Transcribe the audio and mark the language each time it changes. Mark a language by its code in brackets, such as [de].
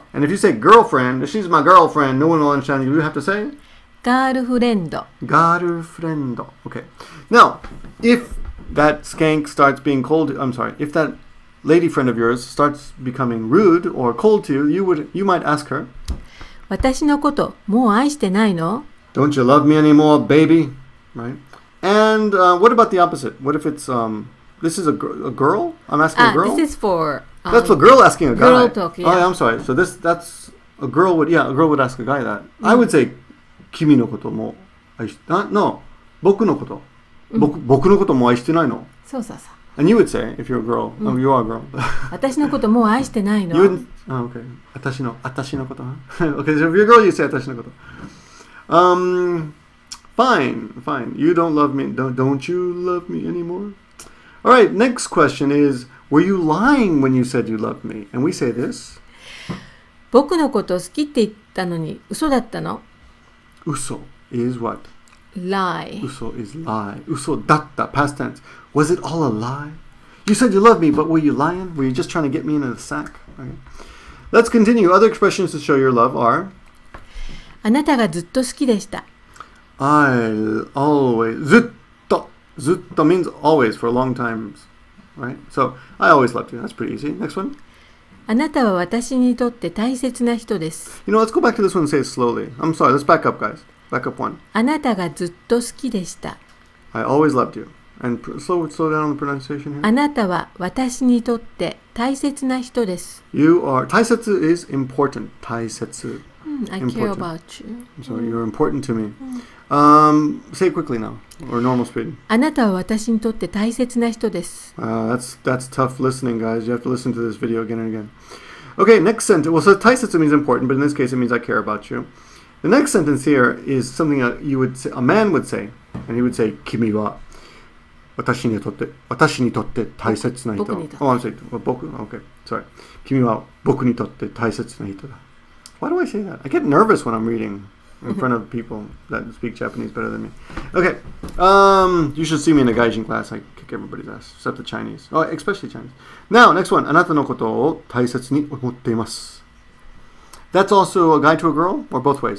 [en] And if you say girlfriend, she's my girlfriend, no one will understand you. You have to say girlfriend. Girlfriend. Okay. Now, if that skank starts being cold, I'm sorry, if that lady friend of yours starts becoming rude or cold to you, you might ask her, [ja] 私のこともう愛してないの? [en] Don't you love me anymore, baby? Right? And what about the opposite? What if it's, this is a girl? I'm asking a girl? This is for... That's a girl asking a guy. Girl talk, yeah. Oh, I'm sorry. So that's a girl would, a girl would ask a guy that. Mm. I would say, [ja] 君のことも愛し、 [en] no, [ja] 僕のこと。 [en] Mm. [ja] 僕のことも愛してないの? そうそうそう。 [en] And you would say, if you're a girl, mm. Oh, you are a girl. [ja] 私のこともう愛してないの? [en] You would, oh, okay. [ja] 私のこと。 [en] Okay, so if you're a girl, you say 私のこと。 Fine. You don't love me. Don't you love me anymore? All right, next question is, were you lying when you said you loved me? And we say this. [ja] 僕のこと好きって言ったのに嘘だったの? [en] 嘘 is what? Lie. 嘘 is lie. 嘘だった, past tense. Was it all a lie? You said you loved me, but were you lying? Were you just trying to get me into the sack? Okay. Let's continue. Other expressions to show your love are? [ja] あなたがずっと好きでした。 [en] I always... ずっと means always, for a long time. Right? So, I always loved you. That's pretty easy. Next one. [ja] あなたは私にとって大切な人です。 [en] You know, let's go back to this one and say it slowly. I'm sorry, let's back up, guys. Back up one. [ja] あなたがずっと好きでした。 [en] I always loved you. And slow down on the pronunciation here. [ja] あなたは私にとって大切な人です。 [en] You are... 大切 is important. 大切。 I care about you. So, you're important to me. Say it quickly now, or normal speed. [ja] あなたは私にとって大切な人です。 [en] That's tough listening, guys. You have to listen to this video again and again. Okay, next sentence. Well, so 大切 means important, but in this case it means I care about you. The next sentence here is something that you would say, a man would say, and he would say, [ja] 君は私にとって大切な人。 [en] Oh, I'm sorry. Well, 僕, okay, sorry. [ja] 君は僕にとって大切な人だ。 [en] Why do I say that? I get nervous when I'm reading in front of people that speak Japanese better than me. Okay. You should see me in a gaijin class. I kick everybody's ass, except the Chinese. Oh, especially Chinese. Now, next one. [ja] あなたのことを大切に思っています。 [en] That's also a guy to a girl, or both ways?